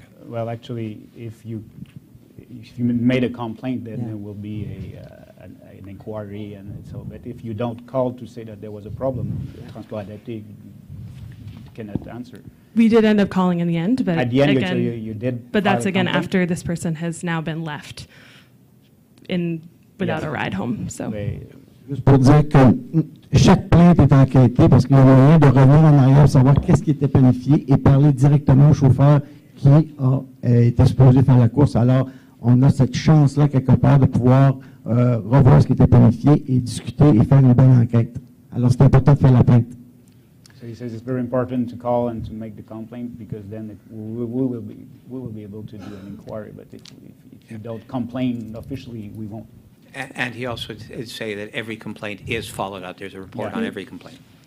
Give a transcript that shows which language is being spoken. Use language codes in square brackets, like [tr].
[en] Well, actually, if you made a complaint, then there will be an inquiry. And so, but if you don't call to say that there was a problem, Transport Adapté cannot answer. We did end up calling in the end. But at the end, again, you did. But that's, again, after this person has now been left without a ride home. So. [fr] Juste pour dire que chaque plainte est enquêtée parce qu'il y a moyen de revenir en arrière pour savoir qu'est-ce qui était planifié et parler directement au chauffeur qui était supposé faire la course. Alors, on a cette chance-là quelque part de pouvoir revoir ce qui était planifié et discuter et faire une bonne enquête. Alors, c'est important de faire la plainte. [en] So he says it's very important to call and to make the complaint because then we will be able to do an inquiry. But if you don't complain officially, we won't. And he also say that every complaint is followed up. There's a report on every complaint.